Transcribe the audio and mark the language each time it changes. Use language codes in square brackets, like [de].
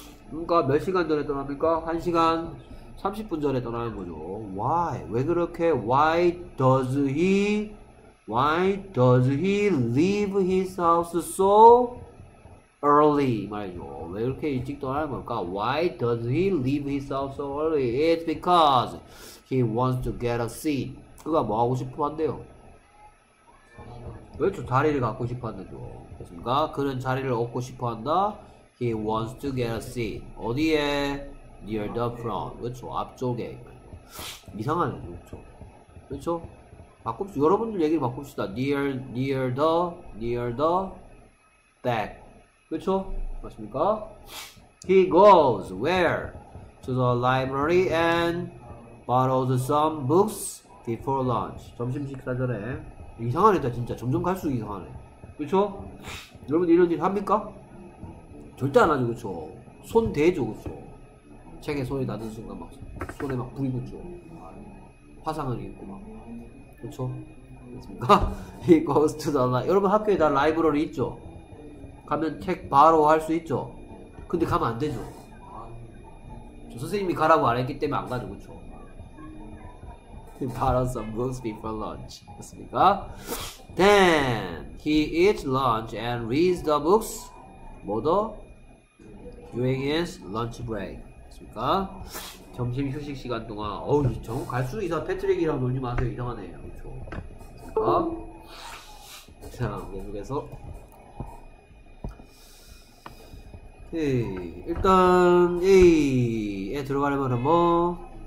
[ko] 그러니까 몇 시간 전에 떠납니까? 1시간 30분 전에 떠나는 거죠. [en] Why? [ko] 왜 그렇게? [en] Why does he leave his house so early? [ko] 말이죠. 왜 이렇게 일찍 떠나는 걸까? [en] Why does he leave his house so early? It's because he wants to get a seat. [ko] 그가 뭐 하고 싶어 한대요? 그렇죠. 자리를 갖고 싶어 한대죠. 그렇습니까? 그는 자리를 얻고 싶어 한다. [en] He wants to get a seat. [ko] 어디에? [en] Near the front. [ko] 그렇죠. 앞쪽에. 이상하네. 그렇죠. 그렇죠. 바꿉시다. 여러분들 얘기를 바꿉시다. [en] Near the back. [ko] 그렇죠. 맞습니까? [en] He goes where? To the library and borrows some books before lunch. [ko] 점심 식사 전에. 이상하네. 진짜 점점 갈수록 이상하네. 그렇죠. 여러분 이런 일 합니까? 절대 안 하죠. 그렇죠. 손 대죠. 그렇죠. 책에 손이 닿는 순간 막 손에 막 불이 붙죠. 화상을 입고 막. 그렇죠? 그렇습니까? [en] He goes to the library. [ko] 여러분 학교에 다 라이브러리 있죠? 가면 책 바로 할 수 있죠? 근데 가면 안 되죠. 저 선생님이 가라고 안 했기 때문에 안 가죠. 그렇죠? [en] He borrows some books before lunch. [ko] 그렇습니까? [en] Then he eats lunch and reads the books. [ko] 뭐 더? [en] During his lunch break. [ko] 그니까 점심 휴식 시간 동안 어우 저 갈수록 이상 패트릭이랑 놀지 마세요. 이상하네. 그렇죠. 자, 계속해서 에이, 일단 A에 들어갈 말은 뭐?